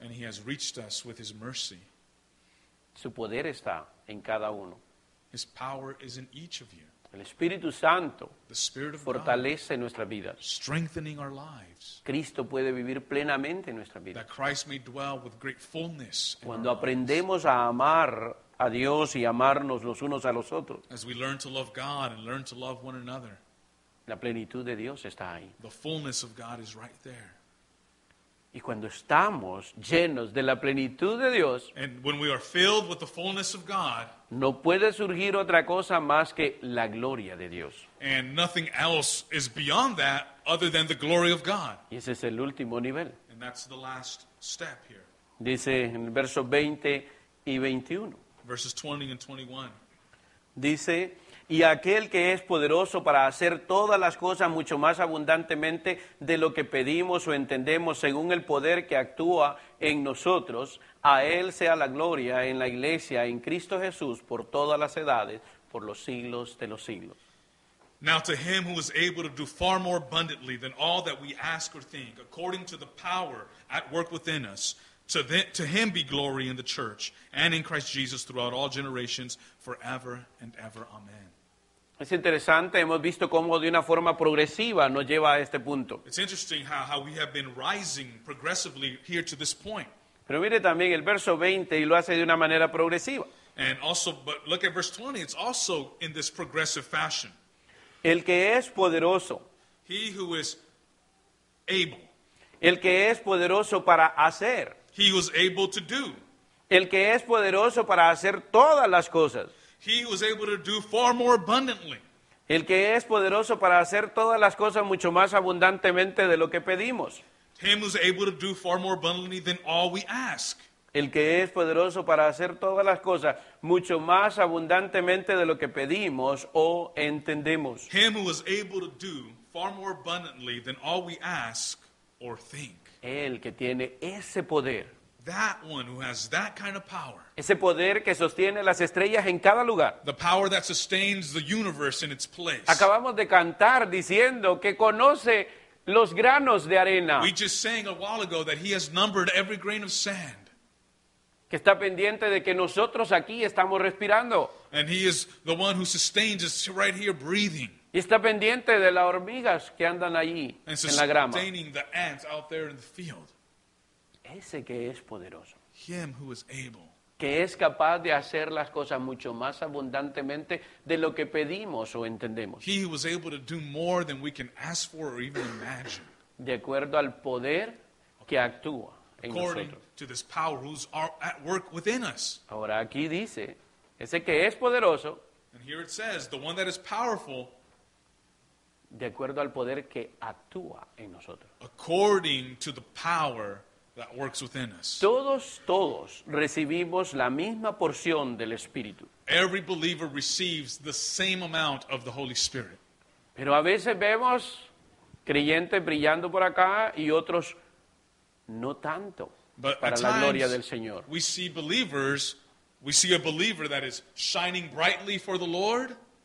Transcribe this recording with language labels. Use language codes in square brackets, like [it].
[en] And he has reached us with his mercy. [es] Su poder está en cada uno. [en] His power is in each of you. [es] El Espíritu Santo [en] the Spirit of [es] fortalece [en] God, [es] nuestra vida. [en] Strengthening our lives. [es] Cristo puede vivir plenamente en nuestra vida. [en] That Christ may dwell with great fullness in [es] cuando aprendemos a amar a Dios y amarnos los unos a los otros. [en] As we learn to love God and learn to love one another. [es] La plenitud de Dios está ahí. [en] The fullness of God is right there. [es] Y cuando estamos llenos de la plenitud de Dios, [en] and when we are filled with the fullness of God, [es] no puede surgir otra cosa más que la gloria de Dios. [en] And nothing else is beyond that other than the glory of God. [es] Y ese es el último nivel. [en] And that's the last step here. [es] Dice en versos 20 y 21. [en] Verses 20 and 21. [es] Dice, y aquel que es poderoso para hacer todas las cosas mucho más abundantemente de lo que pedimos o entendemos según el poder que actúa en nosotros, a él sea la gloria en la iglesia, en Cristo Jesús, por todas las edades, por los siglos de los siglos. [en] Now to him who is able to do far more abundantly than all that we ask or think, according to the power at work within us, to him be glory in the church and in Christ Jesus throughout all generations, forever and ever. Amen. [es] Es interesante, hemos visto cómo de una forma progresiva nos lleva a este punto. [en] It's interesting how we have been rising progressively here to this point. [es] Pero mire también el verso 20 y lo hace de una manera progresiva. [en] And also, but look at verse 20, it's also in this progressive fashion. [es] El que es poderoso. [en] He who is able. [es] El que es poderoso para hacer. [en] He was able to do. [es] El que es poderoso para hacer todas las cosas. [en] He was able to do far more abundantly. [es] El que es poderoso para hacer todas las cosas mucho más abundantemente de lo que pedimos. [en] Him was able to do far more abundantly than all we ask. [es] El que es poderoso para hacer todas las cosas mucho más abundantemente de lo que pedimos o entendemos. [en] Him who was able to do far more abundantly than all we ask or think. [es] El que tiene ese poder. [en] That one who has that kind of power. [es] Ese poder que sostiene las estrellas en cada lugar. [en] The power that sustains the universe in its place. [es] Acabamos de cantar diciendo que conoce los granos de arena. [en] We just sang a while ago that he has numbered every grain of sand. [es] Que está pendiente de que nosotros aquí estamos respirando. [en] And he is the one who sustains us right here breathing. [es] Y está pendiente de las hormigas que andan allí en la grama. [en] Sustaining the ants out there in the field. [es] Ese que es poderoso. [en] Him who is able. [es] Que es capaz de hacer las cosas mucho más abundantemente de lo que pedimos o entendemos. [en] He was able to do more than we can ask for or even imagine. [es] De acuerdo al poder que actúa en [en] according [es] nosotros. [en] According to this power who's at work within us. [es] Ahora aquí dice, ese que es poderoso. [en] And here it says, the one that is powerful. [es] De acuerdo al poder que actúa en nosotros. [en] According to the power that works within us. [es] Todos recibimos la misma porción del Espíritu. [en] Every believer receives the same amount of the Holy Spirit. [es] Pero a veces vemos creyentes brillando por acá y otros no tanto [en] but [es] para la gloria del Señor. [en] We see believers, we see a believer that is shining brightly for the Lord.